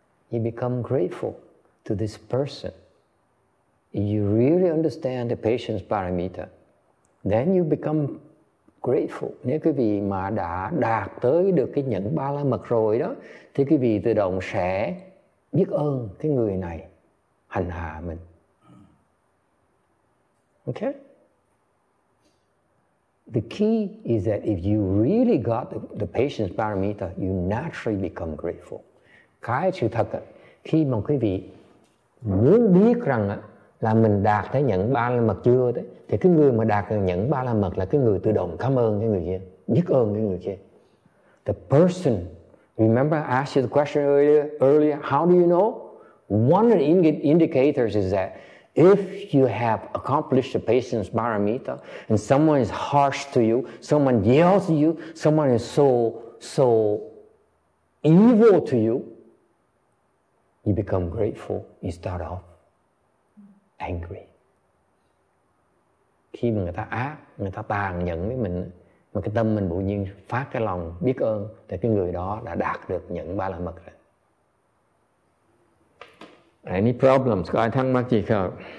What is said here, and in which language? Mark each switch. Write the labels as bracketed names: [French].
[English] You become grateful to this person. You really understand the patient's parameter. Then you become grateful. [Vietnamese] Nếu quý vị mà đã đạt tới được cái nhẫn ba la mật rồi đó, thì quý vị tự động sẽ biết ơn cái người này hành hạ mình. [English] Okay? The key is that if you really got the patient's parameter, you naturally become grateful. [Vietnamese] Cái sự thật á, khi mà quý vị muốn biết rằng á, là mình đạt tới nhận ba la mật chưa đấy, thì cái người mà đạt được nhận ba la mật là cái người tự động cảm ơn cái người kia, biết ơn cái người kia. [English] The person, remember I asked you the question earlier, how do you know? One of the indicators is that if you have accomplished the patience parameter and someone is harsh to you, someone yells at you, someone is so evil to you, you become grateful, you start off angry. [Vietnamese] Khi mà người ta ác, người ta tàn nhẫn với mình, mà cái tâm mình bỗng nhiên phát cái lòng biết ơn, thì cái người đó đã đạt được nhẫn ba la mật rồi. [English] Any problems? [Vietnamese] Có ai thắc mắc gì không?